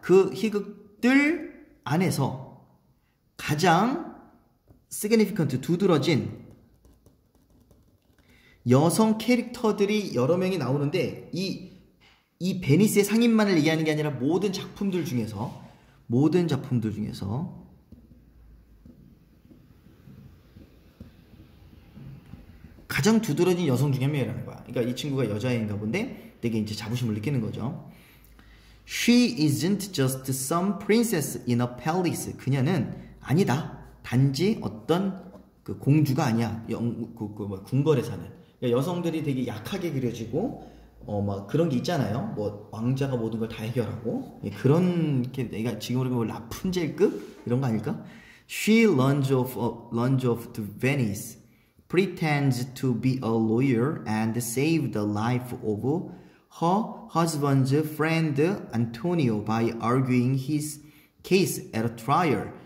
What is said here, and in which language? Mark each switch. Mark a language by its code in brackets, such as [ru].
[ko] 그 희극들 안에서 가장 significant, 두드러진 여성 캐릭터들이 여러 명이 나오는데, 이 베니스의 상인만을 얘기하는 게 아니라 모든 작품들 중에서, 모든 작품들 중에서, 가장 두드러진 여성 중에 한 명이라는 거야. 그러니까 이 친구가 여자애인가 본데 되게 이제 자부심을 느끼는 거죠. [en] She isn't just some princess in a palace. [ko] 그녀는 아니다. 단지 어떤 그 공주가 아니야. 궁궐에 사는. 그러니까 여성들이 되게 약하게 그려지고 막 그런 게 있잖아요. 뭐 왕자가 모든 걸다 해결하고. 그런 게 내가 지금으로 보면 라푼젤급 이런 거 아닐까? [en] She runs off to Venice. Pretends to be a lawyer and save the life of her husband's friend Antonio by arguing his case at a trial.